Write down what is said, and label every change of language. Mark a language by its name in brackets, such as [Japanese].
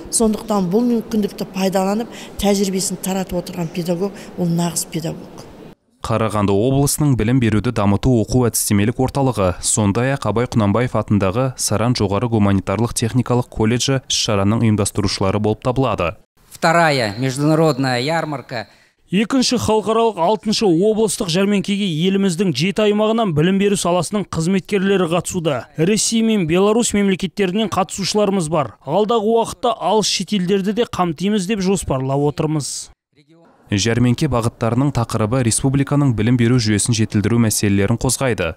[Kazakh] Сондықтан бұл мүмкіндікті пайдаланып, тәжірибесін таратып отырған педагог, ол нағыз педагог. Қарағанды облысының білім беруді дамыту оқу-әдістемелік орталығы, сондай-ақ Абай Құнанбаев атындағы Саран жоғары гуманитарлық техникалық колледжі шараның ұйымдастырушылары болып табылады. [Russian] Вторая международная ярмарка. [Kazakh] 2-ші халықаралық 6-ші облыстық жәрмеңкеге еліміздің 7 аймағынан білім беру саласының қызметкерлері қатысуда. Ресей мен Беларусь мемлекеттерінен қатысушыларымыз бар. Алдағы уақытта алыс шетелдерді де қамтимыз деп жоспарлап отырмыз. Жәрменке бағыттарының тақырыбы республиканың білім беру жүйесін жетілдіру мәселелерін қозғайды.